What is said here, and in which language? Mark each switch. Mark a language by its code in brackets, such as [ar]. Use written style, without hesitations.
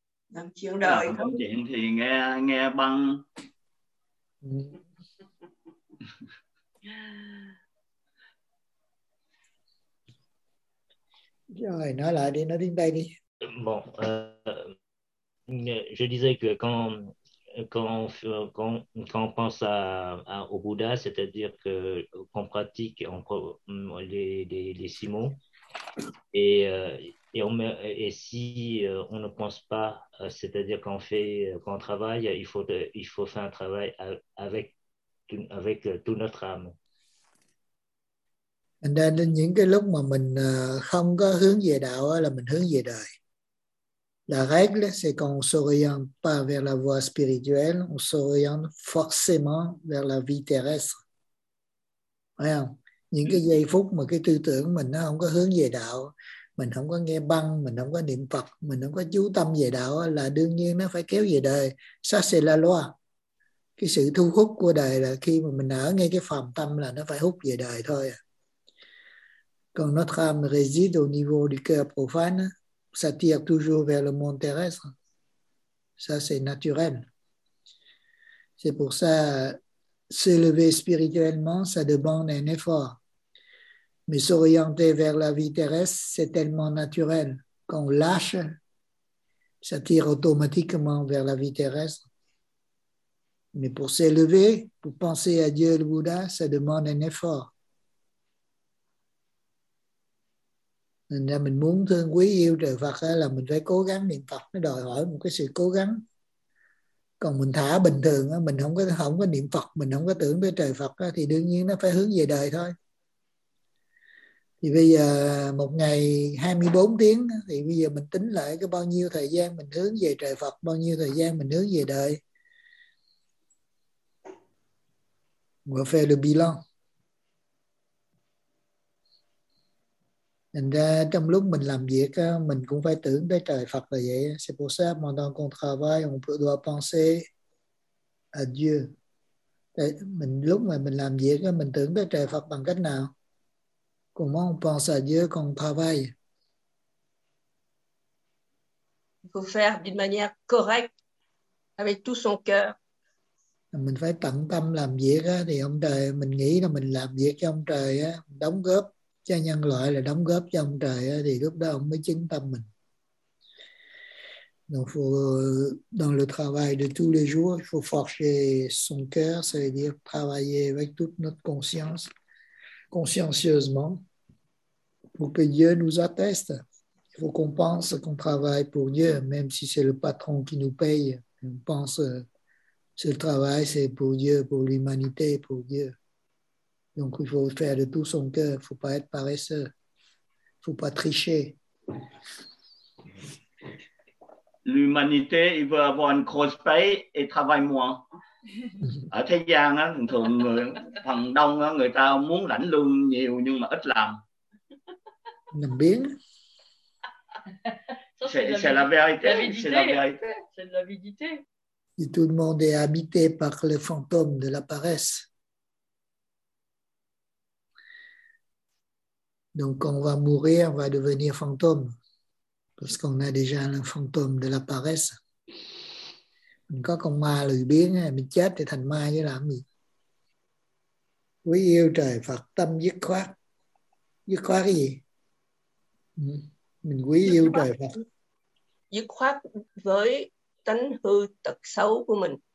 [vi] Làm chuyện đời. Công chuyện thì nghe băng. Rồi nói lại đi, nói tiếng Tây đi. [fr] Bon, je disais que quand on pense au Bouddha, c'est-à-dire que qu'on pratique les six mots, et si on ne pense pas, c'est-à-dire qu'on travaille, il faut faire un travail avec toute notre âme. [vi] Nên những cái lúc mà mình không có hướng về đạo là mình hướng về đời. [fr] La règle, c'est qu'on ne s'oriente pas vers la voie spirituelle, on s'oriente forcément vers la vie terrestre. [vi] Phải không? Những cái giây phút mà cái tư tưởng mình nó không có hướng về đạo, mình không có nghe băng, mình không có niệm Phật, mình không có chú tâm về đạo là đương nhiên nó phải kéo về đời. [fr] Ça c'est la loi. [vi] Cái sự thu hút của đời là khi mà mình ở ngay cái phàm tâm là nó phải hút về đời thôi. [fr] Còn notre âme réside au niveau du cœur profane, ça tire toujours vers le monde terrestre. Ça, c'est naturel. C'est pour ça, s'élever spirituellement, ça demande un effort. Mais s'orienter vers la vie terrestre, c'est tellement naturel. Quand on lâche, ça tire automatiquement vers la vie terrestre. Mais pour s'élever, pour penser à Dieu et le Bouddha, ça demande un effort. [vi] Nên là mình muốn thương quý yêu trời Phật là mình phải cố gắng niệm Phật, nó đòi hỏi một cái sự cố gắng. Còn mình thả bình thường, mình không có niệm Phật, mình không có tưởng tới trời Phật thì đương nhiên nó phải hướng về đời thôi. Thì bây giờ một ngày 24 tiếng thì bây giờ mình tính lại cái bao nhiêu thời gian mình hướng về trời Phật, bao nhiêu thời gian mình hướng về đời. Mà phải được bi lo. Thành ra trong lúc mình làm việc mình cũng phải tưởng tới trời Phật là vậy. [fr] C'est pour ça, pendant qu'on travaille, on doit penser à Dieu. [vi] Mình lúc mà mình làm việc mình tưởng tới trời Phật bằng cách nào? [fr] Comment on pense à Dieu quand on travaille? Il faut faire d'une manière correcte, avec tout son cœur. [vi] Mình phải tận tâm làm việc thì ông trời, mình nghĩ là mình làm việc cho ông trời, đóng góp cho nhân loại là đóng góp cho ông trời, thì lúc đó ông mới chứng tâm mình. [fr] Donc, dans le travail de tous les jours, il faut forger son cœur, c'est-à-dire travailler avec toute notre conscience, consciencieusement, pour que Dieu nous atteste. Il faut qu'on pense qu'on travaille pour Dieu, même si c'est le patron qui nous paye. On pense que ce travail, c'est pour Dieu, pour l'humanité, pour Dieu. Donc, il faut faire de tout son cœur. Il ne faut pas être paresseux. Il ne faut pas tricher. L'humanité, il veut avoir une grosse paye et travaille moins. [vi] Ở thế gian á, thường người, phần đông á, người ta muốn lãnh lương nhiều nhưng mà ít làm. Làm biến. [fr] C'est la vérité. C'est la vérité. Et tout le monde est habité par le fantôme de la paresse. Donc quand on va mourir, on va devenir fantôme. Parce qu'on a déjà un fantôme de la paresse. [vi] Mình có con ma lười biếng, mình chết thì thành ma chứ làm gì. Quý yêu trời Phật, tâm dứt khoát. Dứt khoát cái gì? Mình quý dứt yêu khoát, trời Phật. Dứt khoát với tánh hư tật xấu của mình.